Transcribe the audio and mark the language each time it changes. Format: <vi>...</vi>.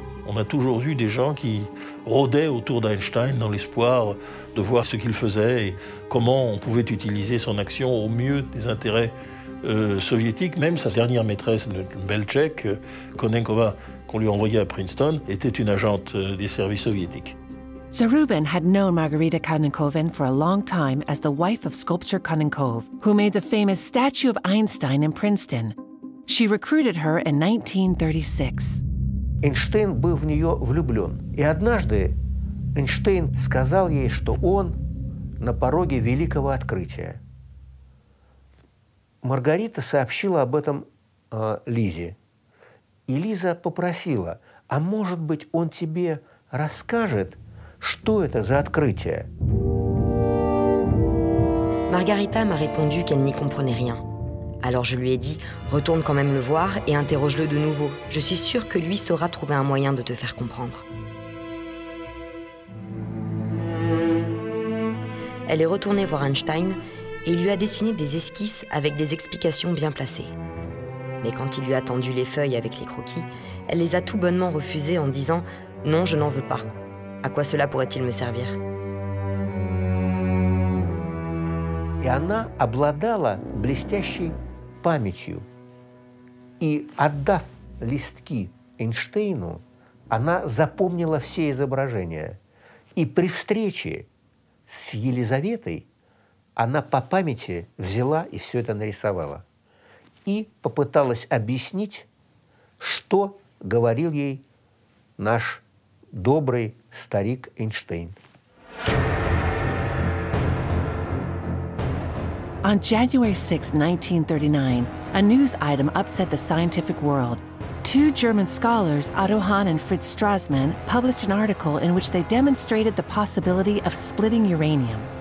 <fr>On a toujours eu des gens qui rôdaient autour d'Einstein dans l'espoir de voir ce qu'il faisait et comment on pouvait utiliser son action au mieux des intérêts soviétiques. Même sa dernière maîtresse, une belle tchèque, Konenkova, qu'on lui envoyait à Princeton, était une agente des services soviétiques.</fr> <en>Zaroubin had known Margarita Konenkova for a long time as the wife of sculptor Konenkov, who made the famous statue of Einstein in Princeton. She recruited her in 1936.</en> <ru>Эйнштейн был в нее влюблен. И однажды Эйнштейн сказал ей, что он на пороге великого открытия. Маргарита сообщила об этом Лизе. И Лиза попросила, а может быть, он тебе расскажет, что это за открытие?</ru> <fr>Маргарита m'a répondu qu'elle n'y comprenait rien. Alors je lui ai dit, retourne quand même le voir et interroge-le de nouveau. Je suis sûre que lui saura trouver un moyen de te faire comprendre. Elle est retournée voir Einstein et lui a dessiné des esquisses avec des explications bien placées. Mais quand il lui a tendu les feuilles avec les croquis, elle les a tout bonnement refusées en disant, non, je n'en veux pas. À quoi cela pourrait-il me servir ?</fr> <ru>И она обладала блестящей памятью. И отдав листки Эйнштейну, она запомнила все изображения. И при встрече с Елизаветой она по памяти взяла и все это нарисовала. И попыталась объяснить, что говорил ей наш добрый старик Эйнштейн.</ru> <en>On January 6, 1939, a news item upset the scientific world. Two German scholars, Otto Hahn and Fritz Strassmann, published an article in which they demonstrated the possibility of splitting uranium.</en>